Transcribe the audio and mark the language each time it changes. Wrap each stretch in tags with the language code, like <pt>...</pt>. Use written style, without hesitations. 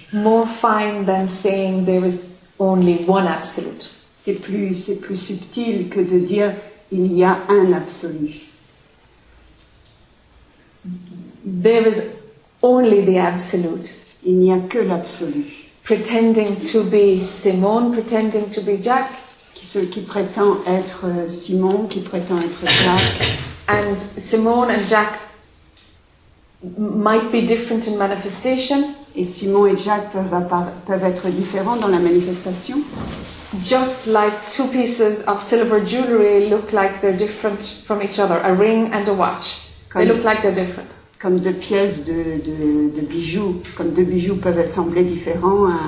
<en>More fine than saying there is only one absolute.</en> <fr>C'est plus subtil que de dire il y a un absolu.</fr> <en>There is only the absolute.</en> <fr>Il n'y a que l'absolu.</fr> <en>Pretending to be Simon, pretending to be Jack.</en> <fr>Qui prétend être Simon, qui prétend être Jack.</fr> <en>And Simon and Jack might be different in manifestation.</en> <fr>Et Simon et Jack peuvent être différents dans la manifestation.</fr> <en>Just like two pieces of silver jewelry look like they're different from each other, a ring and a watch. They look like they're different.</en> <fr>Comme deux pièces de bijoux, comme deux bijoux peuvent sembler différents,</fr>